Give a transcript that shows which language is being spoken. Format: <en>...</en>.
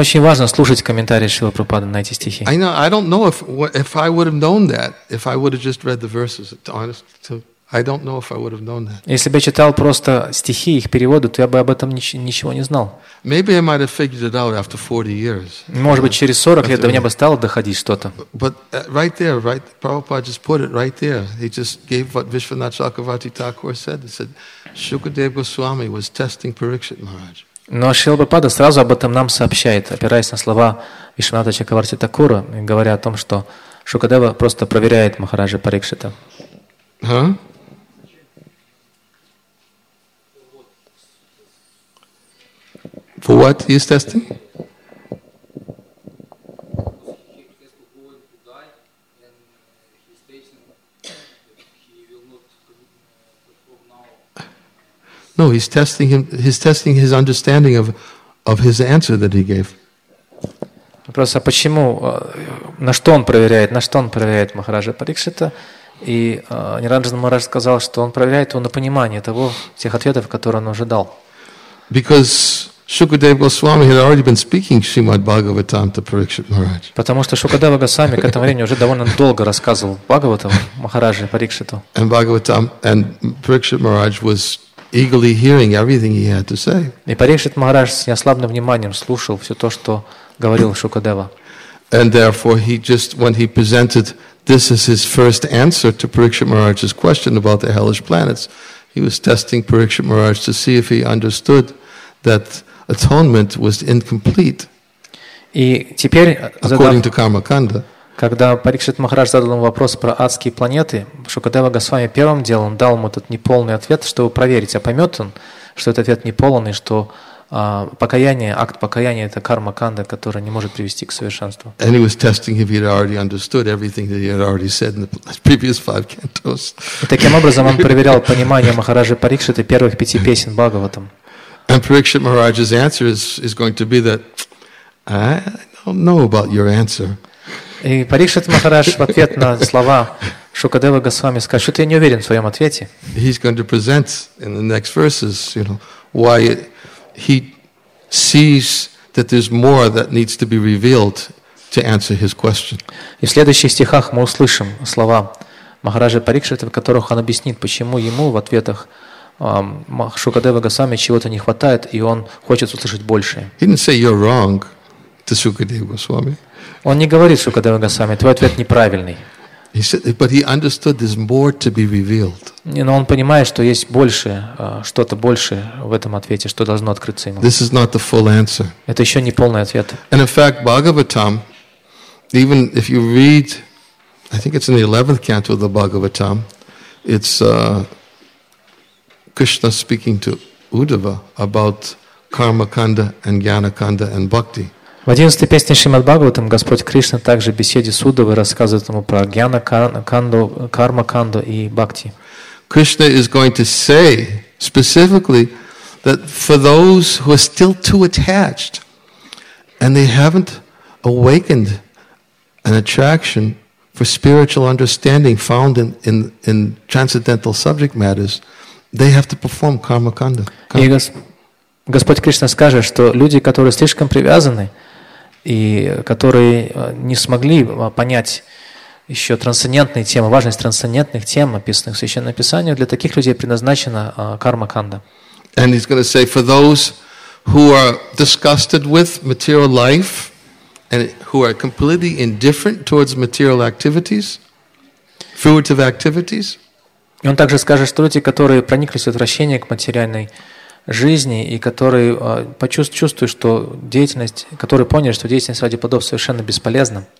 <ru>очень важно слушать комментарии Шрилы Прабхупады на эти стихи.</ru> <en>I know. I don't know if I would have known that if I would have just read the verses. I don't know if I would have known that.</en> <ru>Если бы я читал просто стихи их переводы, то я бы об этом ничего не знал.</ru> <en>Maybe I might have figured it out after 40 years.</en> <ru>Может быть, через 40 лет до меня бы стало доходить что-то.</ru> <en>But right there, right, Prabhupada just put it right there. He just gave what Vishwanath Chakravarti Thakur said. He said, Shukadeva Goswami was testing Parikshit Maharaj.</en> <ru>Но Шрила Прабхупада сразу об этом нам сообщает, опираясь на слова Вишванатха Чакраварти Такура, говоря о том, что Шукадева просто проверяет Махараджа Парикшита. А?</ru> <en>For what he is testing? No, he's testing him. He's testing his understanding of his answer that he gave.</en> <ru>Просто почему, на что он проверяет, Махараджа Парикшита? И Ниранджан Махарадж сказал, что он проверяет его на понимание того, тех ответов, которые он уже дал.</ru> <en>Because Shukadev Goswami had already been speaking Srimad Bhagavatam to Parikshit Maharaj.</en> <ru>Потому что Шукадева Госвами к этому времени уже довольно долго рассказывал Бхагаватам Махараджи Парикшиту.</ru> <en>And Bhagavatam and Parikshit Maharaj was eagerly hearing everything he had to say.</en> <ru>И Парикшит Махарадж с неослабным вниманием слушал все то, что говорил Шукадева.</ru> <en>And therefore he just when he presented this as his first answer to Parikshit Maharaj's question about the hellish planets, he was testing Parikshit Maharaj to see if he understood that atonement was incomplete.</en> <ru>И теперь,</ru> <en>according to Karma Kanda,</en> <ru>когда Парикшит Махарадж задал ему вопрос про адские планеты, Шукадева Госвами первым делом дал ему этот неполный ответ, чтобы проверить, а поймет он, что этот ответ неполен и что покаяние, акт покаяния – это карма канда, которая не может привести к совершенству.</ru> <en>And he was testing if he'd already understood everything that he had already said in the previous five cantos.</en> <ru>И таким образом он проверял понимание Махараджи Парикшиты первых пяти песен Бхагаватам.</ru> <en>And Parikshit Maharaj's answer is going to be that I don't know about your answer.</en> <ru>И Парикшит Махарадж в ответ на слова Шукадева Госвами скажет, что ты не уверен в своем ответе.</ru> <en>He's going to present in the next verses, you know, why he sees that there's more that needs to be revealed to answer his question.</en> <ru>И в следующих стихах мы услышим слова Махараджа Парикшита, в которых он объяснит, почему ему в ответах Шукадева Госвами чего-то не хватает, и он хочет услышать больше.</ru> <en>He didn't say you're wrong to Шукадева Госвами.</en> <ru>Он не говорит Шукадева Госвами, твой ответ неправильный.</ru> <en>He said, but he understood there's more to be revealed.</en> <ru>Но он понимает, что есть больше, что-то большее в этом ответе, что должно открыться ему.</ru> <en>This is not the full answer.</en> <ru>Это еще не полный ответ.</ru> <en>And in fact, Bhagavatam, even if you read, I think it's in the 11th canto of the Bhagavatam, it's Krishna speaking to Uddhava about Karma Kanda and Jnana Kanda and Bhakti.</en> <ru>В 11-й песне Шримад Бхагаватам Господь Кришна также в беседе с Уддавой рассказывает ему про Гьяна Канду, Карма Канду и Бхакти.</ru> <en>Krishna is going to say specifically that for those who are still too attached and they haven't awakened an attraction for spiritual understanding found in transcendental subject matters, they have to perform Karma Kanda.</en> <ru>Господь Кришна скажет, что люди, которые слишком привязаны и которые не смогли понять еще трансцендентные темы, важность трансцендентных тем, описанных в Священном Писании, для таких людей предназначена карма канда.</ru> <en>And he's going to say, for those who are disgusted with material life and who are completely indifferent towards material activities, fruitive activities.</en> <ru>И он также скажет, что люди, которые прониклись в отвращение к материальной жизни и которые чувствуют, что деятельность, которые поняли, что деятельность ради подобных совершенно бесполезна.</ru>